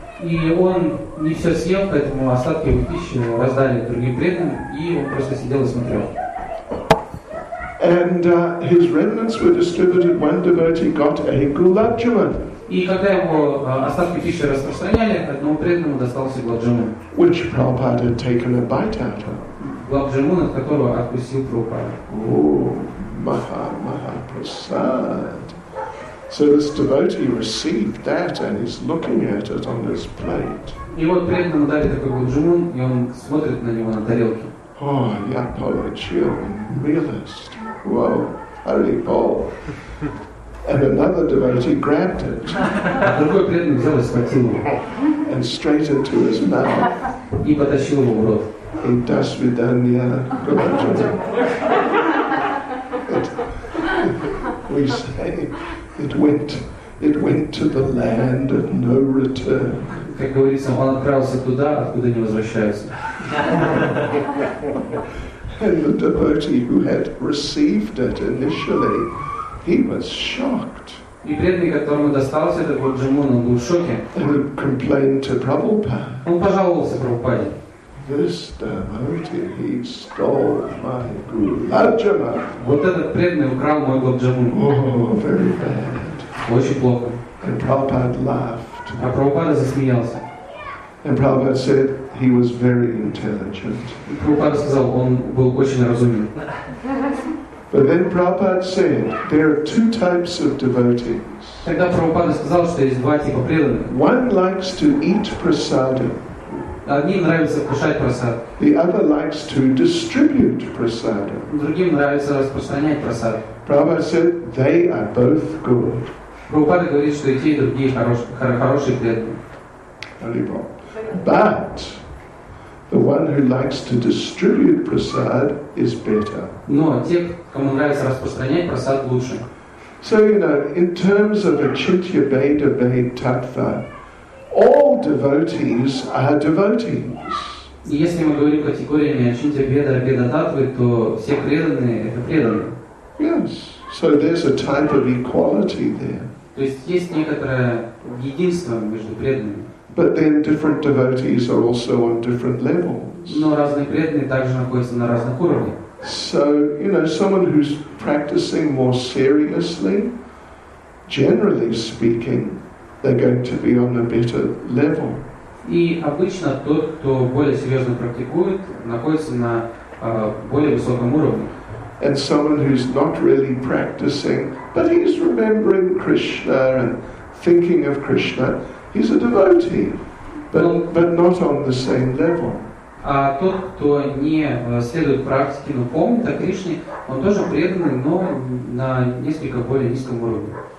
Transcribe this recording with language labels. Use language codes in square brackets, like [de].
[ru] И он не все съел, поэтому остатки пищи раздали другим преданным, и он просто сидел и смотрел. [en] And his remnants were distributed. One devotee got a gulab-jamun. [ru] И когда ему остатки пищи распространяли, одному преданному достался гулаб-джамун. [en] Which Prabhupada had taken a bite out of. [ru] Гулаб-джамун, от которого откусил Прабхупада. Маха-маха-прасад. [en] So this devotee received that and he's looking at it on his plate. [ru] И вот преданному дали такой гуджумун, и он смотрит на него на тарелке. [en] Oh, [ru] я получил милость. [en] Whoa, holy ball. And another devotee grabbed it. [ru] Другой преданный взял и схватил его. [en] And straight into his mouth. [ru] И потащил его в рот. И до свидания, гуджумун. [en] We say, It went to the land of no return. [ru] Как говорится, он отправился туда, откуда не возвращается. [en] And the devotee who had received it initially, he was shocked. [ru] И преданный, которому достался этот вот джамун, он был в шоке. [en] And he complained to Prabhupada. [ru] Он пожаловался Прабхупаде. [en] This devotee, he stole my gulab jamun. [ru] Вот этот преданный украл мой гулаб джамун. [en] Oh, very bad. [ru] Очень плохо. [en] And Prabhupada laughed. [ru] А Прабхупада засмеялся. [en] And Prabhupada said he was very intelligent. [ru] И Прабхупада сказал, он был очень разумен. [en] But then Prabhupada said there are two types of devotees. [ru] Тогда Прабхупада сказал, что есть два типа преданных. [en] One likes to eat prasadam. [ru] Одним нравится кушать прасад. [en] The other likes to distribute prasadam. [ru] Другим нравится распространять прасад. [en] Prabhupada said they are both good. [ru] Прабхупада говорит, что и те, и другие хорошие преданные. [en] But the one who likes to distribute prasad is better. [ru] Но те, кому нравится распространять прасад, лучше. [en] So, you know, in terms of achitya bheda bhe tattva, all devotees are devotees. [ru] Если мы говорим категориями achitya bheda bhe tattva, то все преданные – это преданные. [en] Yes. So there's a type of equality there. [ru] То есть есть некоторое единство между преданными. [en] But then different devotees are also on different levels. [ru] Но разные преданные также находятся на разных уровнях. [en] So, you know, someone who's practicing more seriously, generally speaking, they're going to be on a better level. [ru] И обычно тот, кто более серьезно практикует, находится на более высоком уровне. [en] And someone who's not really practicing, but he's remembering Krishna and thinking of Krishna, he's a devotee, but not on the same level. [ru] А тот, кто не следует практике, но помнит о Кришне, он тоже преданный, но на несколько более низком уровне.